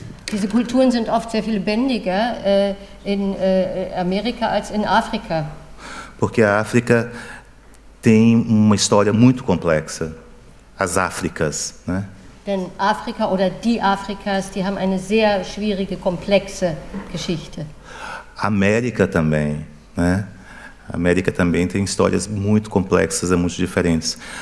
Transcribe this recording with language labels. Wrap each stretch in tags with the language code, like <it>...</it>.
<de>Diese Kulturen sind oft sehr viel lebendiger in Amerika als in Afrika.</de> <pt>Porque a África tem uma história muito complexa, as Áfricas, né?</pt> <de>Denn Afrika oder die Afrikas, die haben eine sehr schwierige, komplexe Geschichte.</de> <pt>América também, né? América também tem histórias muito complexas, muito diferentes.</pt>